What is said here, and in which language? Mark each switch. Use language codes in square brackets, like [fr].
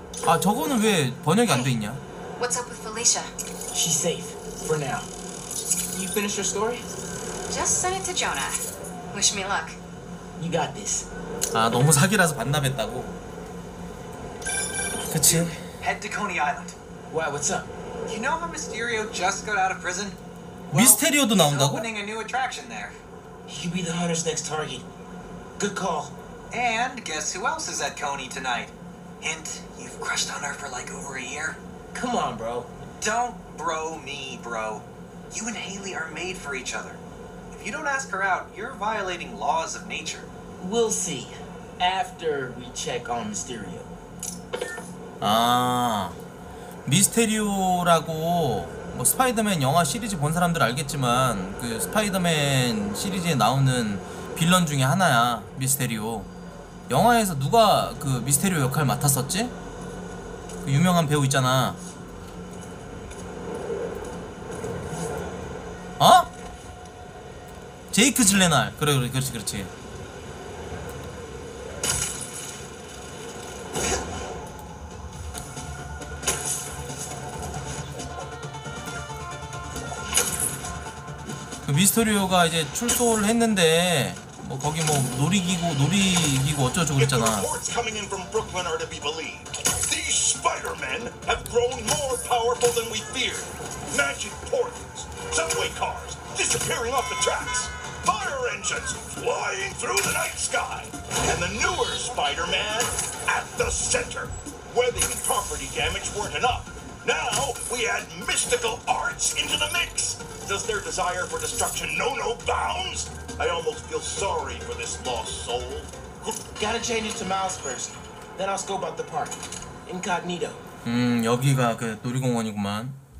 [ko] 아 저거는 왜 번역이 안 돼 있냐? [en] What's up with Felicia? She's safe for now. You finished your story? Just sent it to Jonah. Wish me luck. You got this. [ko] 아 너무 사기라서 반납했다고. 그치? [en] Head to Coney Island. Why? What's up? You know how Mysterio just got out of prison? [ko] 미스테리오도 나온다고? [en] Opening a new attraction there. He'll be the hunter's next target. Good call. And guess who else is at Coney tonight? Hint, you've crushed on her for like over a year. Come on, bro. Don't bro me, bro. You and Haley are made for each other. If you don't ask her out, you're violating laws of nature. We'll see. After we check on Mysterio. [ko] 아, 미스테리오라고 뭐 스파이더맨 영화 시리즈 본 사람들 알겠지만 그 스파이더맨 시리즈에 나오는 빌런 중에 하나야, 미스테리오. 영화에서 누가 그 미스테리오 역할 맡았었지? 그 유명한 배우 있잖아. 어? 제이크 질레날. 그래, 그래, 그렇지, 그렇지. 그 미스테리오가 이제 출소를 했는데 뭐 거기 뭐 놀이기구 어쩌고 그랬잖아. [en] If the reports coming in from Brooklyn are to be believed, these Spider-Men have grown more powerful than we feared. Magic portals, subway cars disappearing off the tracks, fire engines flying through the night sky, and the newer Spider-Man at the center. Webbing and property damage weren't enough. Now we add mystical arts into the mix. Does their desire for destruction know no bounds? I almost feel sorry for this lost soul. Gotta change it to Miles first. Then I'll scope out the park. Incognito. [ko] 여기가 그 놀이공원이구만.